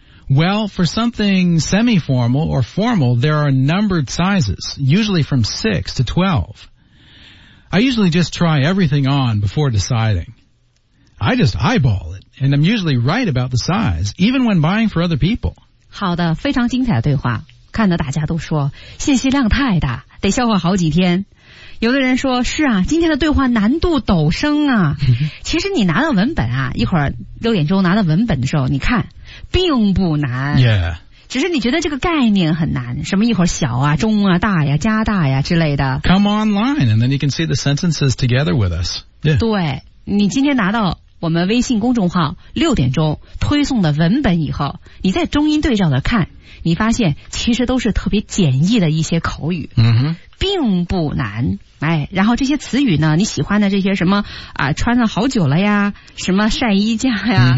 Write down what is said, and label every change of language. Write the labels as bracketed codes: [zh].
[en] Well, for something semi-formal or formal, there are numbered sizes, usually from 6 to 12. I usually just try everything on before deciding. I just eyeball it, and I'm usually right about the size, even when buying for other people. [zh] 好的，非常精彩的对话。看得大家都说信息量太大，得消化好几天。有的人说，是啊，今天的对话难度陡升啊。其实你拿到文本啊，一会儿六点钟拿到文本的时候，你看并不难。 [en] Yeah. [zh] 只是你觉得这个概念很难，什么一会儿小啊、中啊、大呀、加大呀之类的。 [en] Come online, and then you can see the sentences together with us.、Yeah. [zh] 对，你今天拿到我们微信公众号六点钟推送的文本以后，你再中英对照的看，你发现其实都是特别简易的一些口语，嗯，并不难。哎，然后这些词语呢，你喜欢的这些什么啊，穿了好久了呀，什么晒衣架呀，